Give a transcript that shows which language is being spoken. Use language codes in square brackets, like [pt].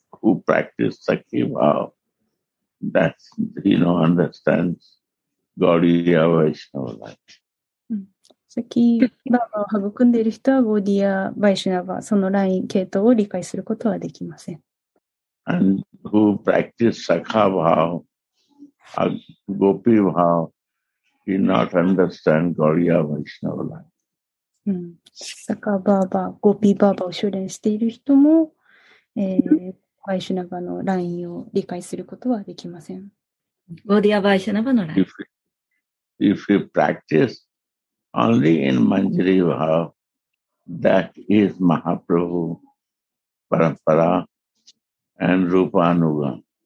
[en] Who practice Saki Bhava? That's, you know, understands Gaudiya Vaishnava life. [ja] サキババを育んでいる人はゴーディア・バイシュナバ、そのライン、系統を理解することはできません。 [en] And who practice Sakha Bhava, Gopi Bhava, he not understand Gaudiya Vaishnava life. [ja] サカバーバー、ゴピーバーバーを修練している人も、バイシュナバのラインを理解することはできません。ゴディアバイシュナバのライン。 [en] If you practice only in Manjari Bhava, that is Mahaprabhu Parampara and Rupa Anuga.